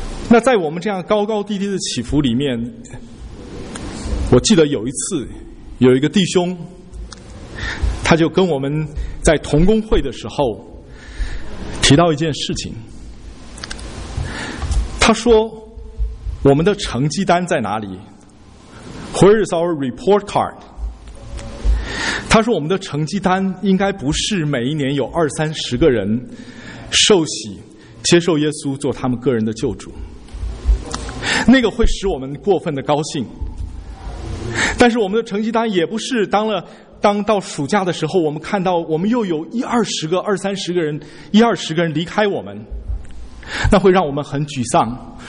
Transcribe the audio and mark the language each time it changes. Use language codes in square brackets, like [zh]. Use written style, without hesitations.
[zh] 那在我们这样高高低低的起伏里面，我记得有一次有一个弟兄，他就跟我们在同工会的时候提到一件事情，他说我们的成绩单在哪里？ [en] Where is our report card? [zh] 他说我们的成绩单应该不是每一年有二三十个人受洗接受耶稣做他们个人的救主，那个会使我们过分的高兴，但是我们的成绩单也不是当到暑假的时候，我们看到我们又有一二十个二三十个人一二十个人离开我们，那会让我们很沮丧。